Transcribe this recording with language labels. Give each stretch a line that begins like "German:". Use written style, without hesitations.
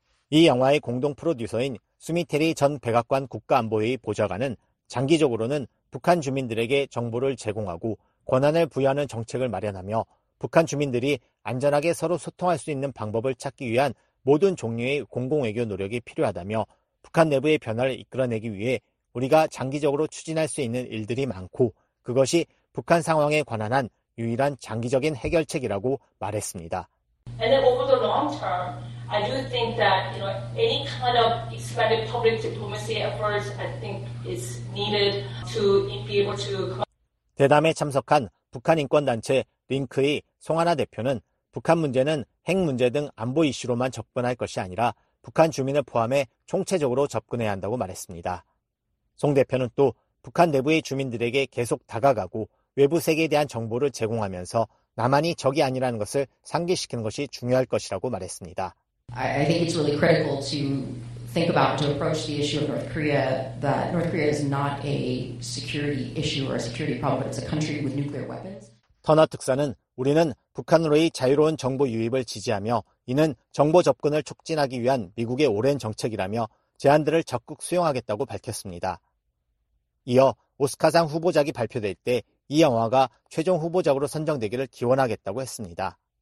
Korean: 이 영화의 공동 프로듀서인 수미테리 전 백악관 국가안보회의 보좌관은 장기적으로는 북한 주민들에게 정보를 제공하고 권한을 부여하는 정책을 마련하며 북한 주민들이 안전하게 서로 소통할 수 있는 방법을 찾기 위한 모든 종류의 공공외교 노력이 필요하다며 북한 내부의 변화를 이끌어내기 위해 우리가 장기적으로 추진할 수 있는 일들이 많고 그것이 북한 상황에 관한 한 유일한 장기적인 해결책이라고 말했습니다.
English: And then over the long term, I do think that you know any kind of expanded public diplomacy efforts, I think, is needed to be able to.
Korean: 대담에 참석한 북한 인권 단체 링크의 송하나 대표는 북한 문제는 핵 문제 등 안보 이슈로만 접근할 것이 아니라 북한 주민을 포함해 총체적으로 접근해야 한다고 말했습니다. 송 대표는 또 북한 내부의 주민들에게 계속 다가가고 외부 세계에 대한 정보를 제공하면서 나만이 적이 아니라는 것을 상기시키는 것이 중요할 것이라고 말했습니다.
English: I think it's really critical to think about to approach the issue of North Korea that North Korea is not a security issue or a security problem, but it's a country with nuclear weapons.
Korean: 터너 특사는 우리는 북한으로의 자유로운 정보 유입을 지지하며 이는 정보 접근을 촉진하기 위한 미국의 오랜 정책이라며 제안들을 적극 수용하겠다고 밝혔습니다. 이어 오스카상 후보작이 발표될 때 이 영화가 최종 후보작으로 선정되기를 기원하겠다고 했습니다.